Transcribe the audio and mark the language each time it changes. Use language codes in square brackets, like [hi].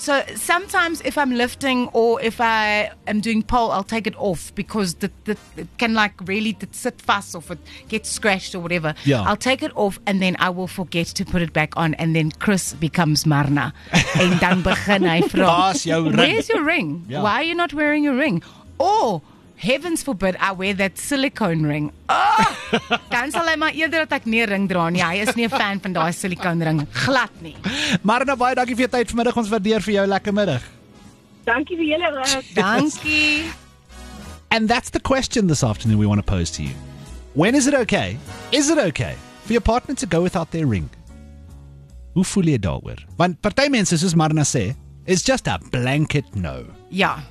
[en] So sometimes if I'm lifting or if I am doing pole, I'll take it off because it can like really sit fast or it gets scratched or whatever. Yeah. I'll take it off and then I will forget to put it back on and then Chris becomes Marna. [af] En dan begin hy vraag, [en] where's your ring? Yeah. Why are you not wearing your ring? Or, heavens forbid, I wear that silicone ring. [af] Oh! Dan sal hy maar eerder dat ek nie ring dra nie. Hy is nie 'n fan van daai silicone ring. Glad nie. Marna, baie dankie vir jou tyd vanmiddag. Ons waardeer vir jou. Lekker middag. Dankie vir julle ook. Dankie. [en] And that's the question this afternoon we want to pose to you. When is it okay? Is it okay for your partner to go without their ring? [af] Hoe voel jy daaroor? Want party mense, soos Marna sê, [en] it's just a blanket no. Yeah.